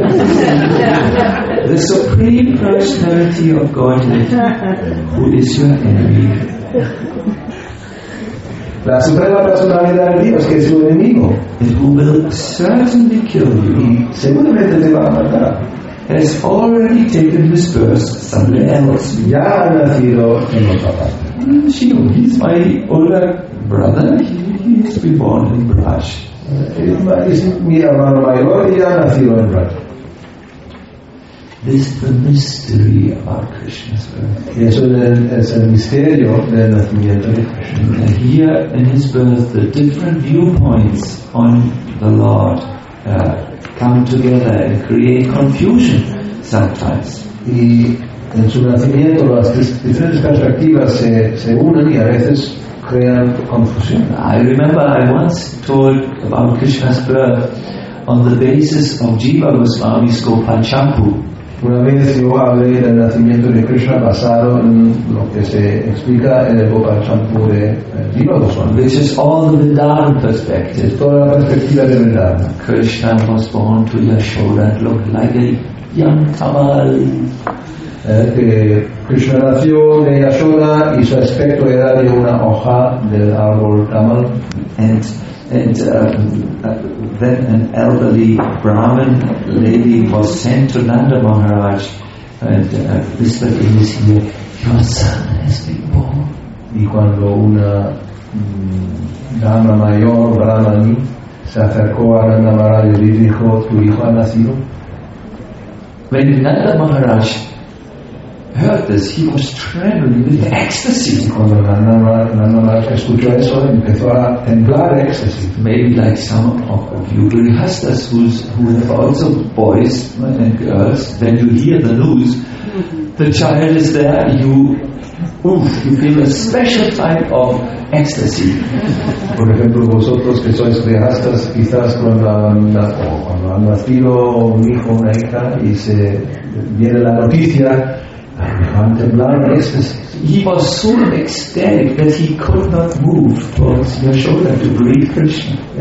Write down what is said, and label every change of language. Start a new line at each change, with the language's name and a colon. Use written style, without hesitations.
English: Supreme Personality of Godhead, who is your enemy?
Spanish: La suprema personalidad de Dios, que es tu enemigo,
English: and who will certainly kill you,
Spanish: seguramente te va a matar,
English: has already taken his birth somewhere else.
Spanish: Ya ha nacido en otra parte.
English: He's my older brother. He has been born in Braj.
Spanish: Es mi hermano mayor y ha nacido en Braj.
English: This is the mystery of our Krishna's birth.
Spanish: Eso es el misterio del nacimiento de Krishna.
English: Here in his birth, the different viewpoints on the Lord come together and create confusion sometimes.
Spanish: Y en su nacimiento las diferentes perspectivas se unen y a veces crean confusión.
English: I remember I once told about Krishna's birth on the basis of Jiva Goswami's Gopalchampu.
Spanish: Una vez yo hablé del nacimiento de Krishna basado en lo que se explica en el Gopalchampu de Jiva Goswami.
English: Which is all the Vrindavan perspective.
Spanish: Es toda la perspectiva de Vrindavan.
English: Krishna was born to Yashoda and looked like a young tamal.
Spanish: Que Krishna nació de Yashoda y su aspecto era de una hoja del árbol tamal.
English: Then an elderly Brahmin lady was sent to Nanda Maharaj and whispered in his ear, "Your son has been born."
Spanish: Y cuando una dama mayor, Brahmani, se acercó a Nanda Maharaj y le dijo, "Tu hijo ha nacido."
English: When Nanda Maharaj heard this, he was trembling with ecstasy.
Spanish: Cuando Nanda Maharaj escuchó eso, empezó a temblar ecstasy.
English: Maybe like some of you Grihasthas who have also boys and girls, when you hear the news, the child is there, you feel a special type of ecstasy.
Spanish: Por ejemplo, vosotros que sois Grihasthas, quizás cuando ha nacido un hijo, una hija, y se viene la noticia,
English: he was so ecstatic that he could not move towards Yashoda to greet Krishna.